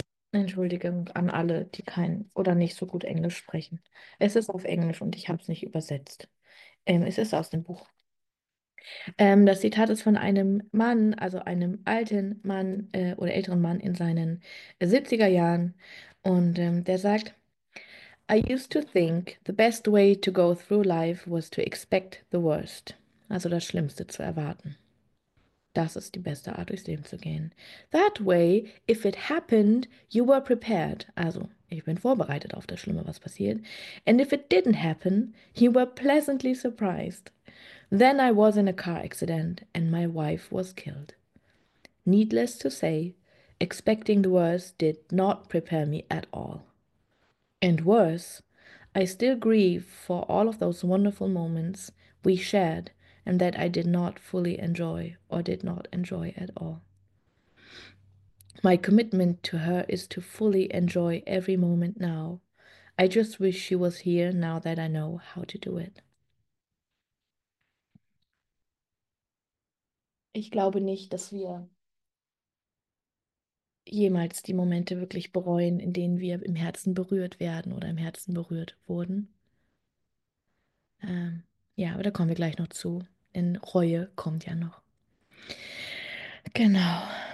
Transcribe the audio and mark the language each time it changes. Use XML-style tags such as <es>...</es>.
<de>Entschuldigung an alle, die kein oder nicht so gut Englisch sprechen. Es ist auf Englisch und ich habe es nicht übersetzt. Es ist aus dem Buch. Das Zitat ist von einem Mann, also einem alten Mann oder älteren Mann in seinen 70er Jahren. Und der sagt:</de> <en>I used to think the best way to go through life was to expect the worst.</en> <de>Also das Schlimmste zu erwarten. Das ist die beste Art, durchs Leben zu gehen.</de> <en>That way, if it happened, you were prepared.</en> <de>Also, ich bin vorbereitet auf das Schlimme, was passiert.</de> <en>And if it didn't happen, you were pleasantly surprised. Then I was in a car accident and my wife was killed. Needless to say, expecting the worst did not prepare me at all. And worse, I still grieve for all of those wonderful moments we shared and that I did not fully enjoy or did not enjoy at all. My commitment to her is to fully enjoy every moment now. I just wish she was here now that I know how to do it.</en> <de>Ich glaube nicht, dass wir jemals die Momente wirklich bereuen, in denen wir im Herzen berührt werden oder im Herzen berührt wurden. Ja, aber da kommen wir gleich noch zu. Denn Reue kommt ja noch. Genau.</de>